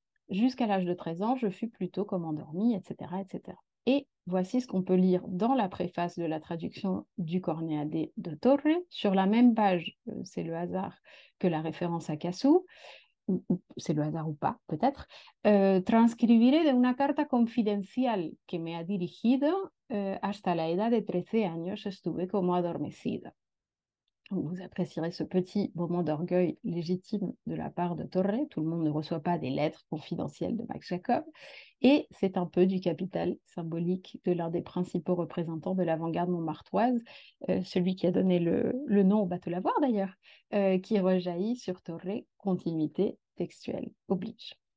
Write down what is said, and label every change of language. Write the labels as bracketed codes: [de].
[fr] Jusqu'à l'âge de 13 ans, je fus plutôt comme endormi, etc., etc. Et voici ce qu'on peut lire dans la préface de la traduction du cornet à D de Torre, sur la même page, c'est le hasard, que la référence à Cassou. C'est le hasard ou pas, peut-être. [es] Transcribiré de una carta confidencial que me ha dirigido hasta la edad de 13 años estuve como adormecido. [fr] Vous apprécierez ce petit moment d'orgueil légitime de la part de Torre. Tout le monde ne reçoit pas des lettres confidentielles de Max Jacob. Et c'est un peu du capital symbolique de l'un des principaux représentants de l'avant-garde montmartroise, celui qui a donné le nom au bateau-lavoir d'ailleurs, qui rejaillit sur Torre, continuité textuelle oblige.